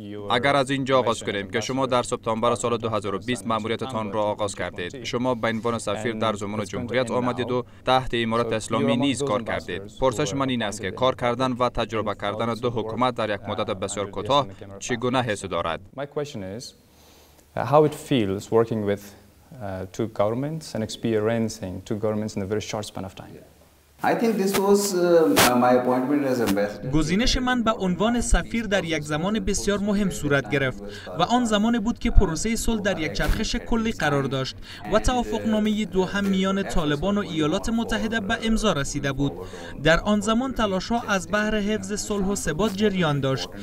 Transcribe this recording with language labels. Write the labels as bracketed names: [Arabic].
[Persian] اگر از اینجا آغاز کنیم که شما در سپتامبر سال 2020 ماموریتتان را آغاز کردید. شما به عنوان سفیر در زمان جمهوریت آمدید و تحت امارات اسلامی نیز کار کردید. پرسش من این است که کار کردن و تجربه کردن دو حکومت در یک مدت بسیار کوتاه چگونه حس دارد؟ [English] My question is how it feels working with two governments and experiencing two governments in a very short span of time. I think this was my appointment as ambassador. [Persian] گزینش من به عنوان سفیر در یک زمان بسیار مهم صورت گرفت و آن زمانی بود که پروسه صلح در یک چرخش کلی قرار داشت و توافقنامه دوحه میان طالبان و ایالات متحده به امضا رسیده بود. در آن زمان تلاش‌ها از بهر حفظ صلح و ثبات جریان داشت.